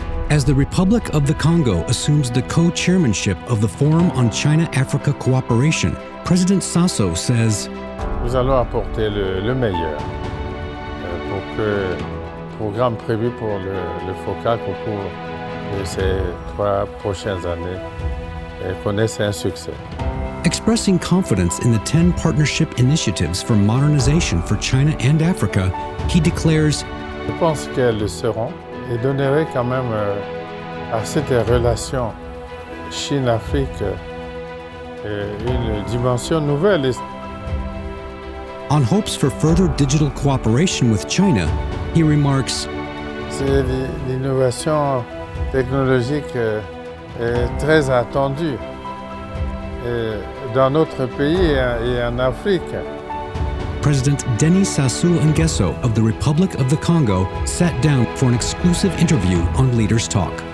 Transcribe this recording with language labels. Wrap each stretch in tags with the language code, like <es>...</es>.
<en>As the Republic of the Congo assumes the co-chairmanship of the Forum on China-Africa Cooperation, President Sassou says,</en> <fr>"Nous allons apporter le meilleur pour que programme prévu pour le FOCAC au cours de ces trois prochaines années connaisse un succès."</fr> <en>Expressing confidence in the 10 partnership initiatives for modernization for China and Africa, he declares,</en> <fr>"Je pense qu'elles le seront et donneraient quand même à cette relation Chine-Afrique une dimension nouvelle."</fr> <en>On hopes for further digital cooperation with China, he remarks,</en> <fr>"C'est l'innovation technologique est très attendue dans notre pays et en Afrique."</fr> <en>President Denis Sassou Nguesso of the Republic of the Congo sat down for an exclusive interview on Leaders Talk.</en>